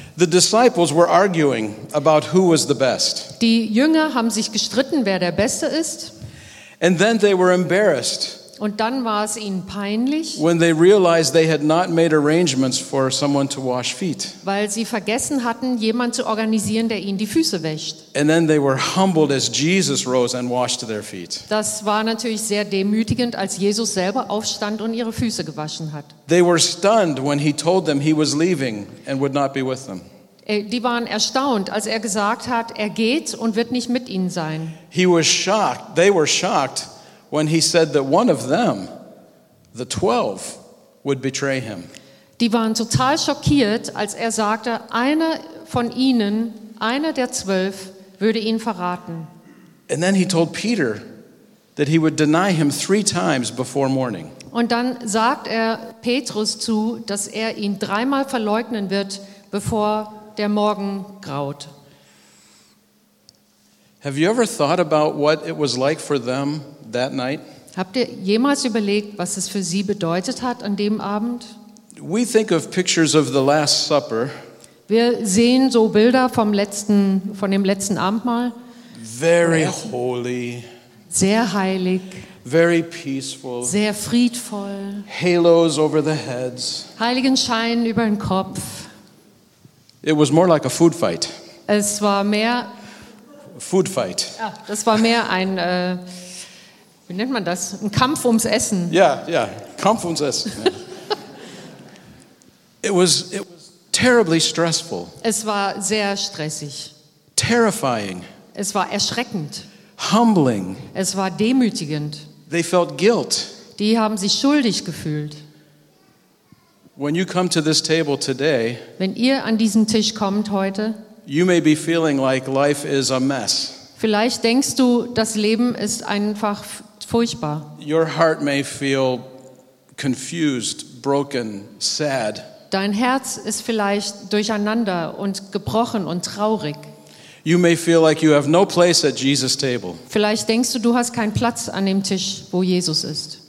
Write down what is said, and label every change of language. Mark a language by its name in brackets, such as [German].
[English] The disciples were arguing about who was the best. [German] Die Jünger haben sich gestritten, wer der Beste ist. [English] And then they were embarrassed. [German] Und dann war es ihnen peinlich, [English] when they realized they had not made arrangements for someone to wash feet. [German] Weil sie vergessen hatten, jemand zu organisieren, der ihnen die Füße wäscht. [English] And then they were humbled as Jesus rose and washed their feet. [German] Das war natürlich sehr demütigend, als Jesus selber aufstand und ihre Füße gewaschen hat. [English] They were stunned when he told them he was leaving and would not be with them. [German] Die waren erstaunt, als er gesagt hat, er geht und wird nicht mit ihnen sein. [English] He was shocked. They were shocked when he said that one of them, the 12, would betray him. [German] Die waren total schockiert, als er sagte, einer von ihnen, einer der 12, würde ihn verraten. [English] And then he told Peter that he would deny him 3 times before morning. [German] Und dann sagt er Petrus zu, dass er ihn 3-mal verleugnen wird, bevor der Morgen graut. [English] Have you ever thought about what it was like for them that night? [German] Habt ihr jemals überlegt, was es für sie bedeutet hat an dem Abend? [English] We think of pictures of the Last Supper. [German] Wir sehen so Bilder von dem letzten Abendmahl. [English] Very holy. [German] Sehr heilig. [English] Very peaceful. [German] Sehr friedvoll. [English] Halos over the heads. [German] Heiligenschein über den Kopf. [English] It was more like a food fight. [German] Es war mehr [English] food fight. [German] Ja, das war mehr ein wie nennt man das? Ein Kampf ums Essen. Ja, yeah, ja, yeah. Kampf ums Essen. [English] It was terribly stressful. [German] Es war sehr stressig. [English] Terrifying. [German] Es war erschreckend. [English] Humbling. [German] Es war demütigend. [English] They felt guilt. [German] Die haben sich schuldig gefühlt. [English] When you come to this table today, [German] wenn ihr an diesen Tisch kommt heute, [English] you may be feeling like life is a mess. [German] Vielleicht denkst du, das Leben ist einfach furchtbar. [English] Your heart may feel confused, broken, sad. [German] Dein Herz ist vielleicht durcheinander und gebrochen und traurig. [English] You may feel like you have no place at Jesus' table. [German] Vielleicht denkst du, du hast keinen Platz an dem Tisch, wo Jesus ist.